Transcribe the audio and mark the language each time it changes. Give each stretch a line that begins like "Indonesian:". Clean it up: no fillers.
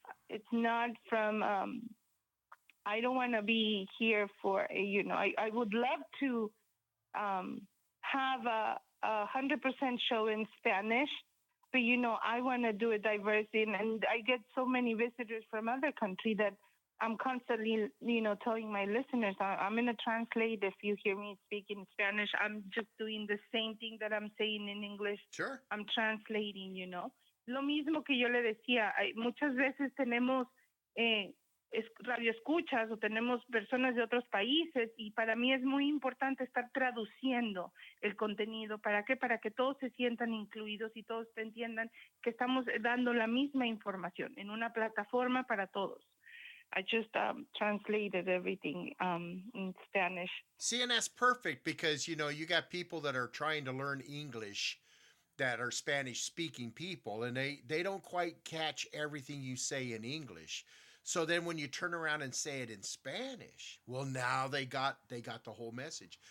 English: It's not from. I don't want to be here for, you know, I would love to have a 100% show in Spanish, but, you know, I want to do it diversely. And I get so many visitors from other countries that I'm constantly, you know, telling my listeners, I'm going to translate if you hear me speak in Spanish. I'm just doing the same thing that I'm saying in English. Sure. I'm translating, you know.
Spanish: Lo mismo que yo le decía, muchas veces tenemos... radio escuchas o tenemos personas de otros países, y para mí es muy importante estar traduciendo el contenido. ¿Para qué? Para que todos se sientan incluidos y todos te entiendan que estamos dando la misma información en una plataforma para todos.
English: I just translated everything in Spanish. See, and that's perfect, because, you know, you got people that are trying to learn English that are Spanish speaking people, and they don't quite catch everything you say in English. So then when you turn around and say it in Spanish, well, now they got the whole message.